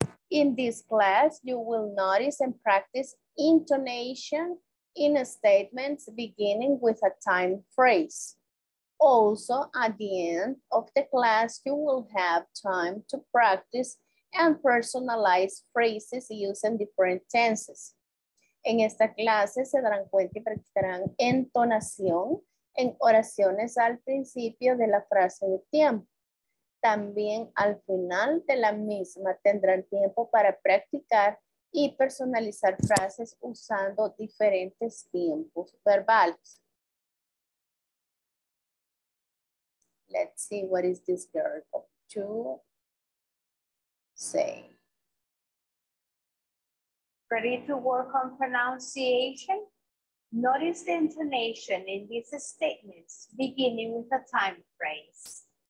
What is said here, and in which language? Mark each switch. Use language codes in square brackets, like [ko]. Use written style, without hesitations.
[en] In this class, you will notice and practice intonation in statements beginning with a time phrase. Also, at the end of the class, you will have time to practice and personalize phrases using different tenses. [es] En esta clase, se darán cuenta y practicarán entonación en oraciones al principio de la frase de tiempo. También al final de la misma tendrán tiempo para practicar y personalizar frases usando diferentes tiempos verbales. [en] Let's see what is this girl going to say. Ready to work on pronunciation? Notice the intonation in these statements, beginning with a time phrase.